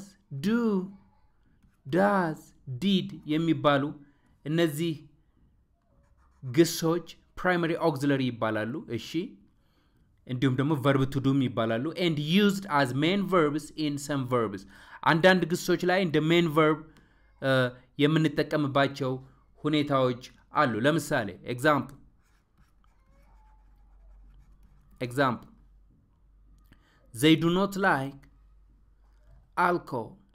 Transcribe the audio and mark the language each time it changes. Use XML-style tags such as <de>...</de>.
<am>Do, does, did የሚባሉ እነዚህ ግሶች primary auxiliary ይባላሉ። እሺ? እንዲሁም ደግሞ</am> <en>verb to do</en> <am>ይባላሉ</am> <en>and used as main verbs in some verbs.</en> <am>አንዳንድ ግሶች ላይ እንደ main verb የምንጠቀምባቸው ሁኔታዎች አሉ። ለምሳሌ example</am> <en>they do not like alcohol.</en>